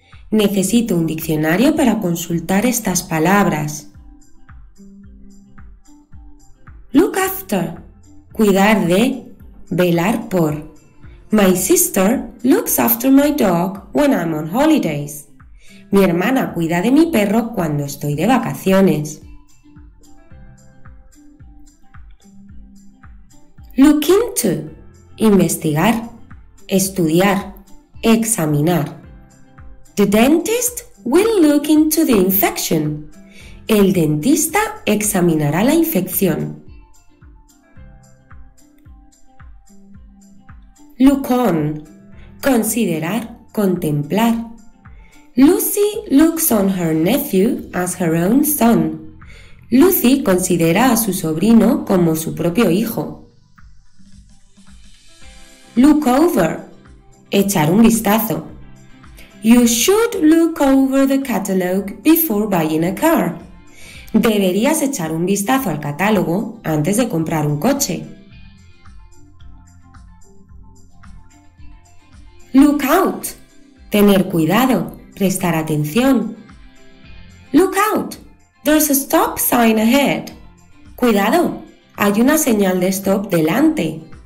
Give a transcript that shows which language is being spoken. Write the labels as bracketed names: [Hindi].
[Spanish] Necesito un diccionario para consultar estas palabras. [English] Look after. [Spanish] Cuidar de. Velar por. [English] My sister looks after my dog when I'm on holidays. [Spanish] Mi hermana cuida de mi perro cuando estoy de vacaciones. [English] Look into. [Spanish] Investigar. Estudiar. Examinar. [English] The dentist will look into the infection. [Spanish] El dentista examinará la infección. [English] Look on. [Spanish] Considerar, contemplar. [English] Lucy looks on her nephew as her own son. [Spanish] Lucy considera a su sobrino como su propio hijo. [English] Look over. [Spanish] Echar un vistazo. [English] You should look over the catalog before buying a car. [Spanish] Deberías echar un vistazo al catálogo antes de comprar un coche. [English] Look out. [Spanish] Tener cuidado. Prestar atención. Look out. [English] There's a stop sign ahead. [Spanish] Cuidado. Hay una señal de stop delante.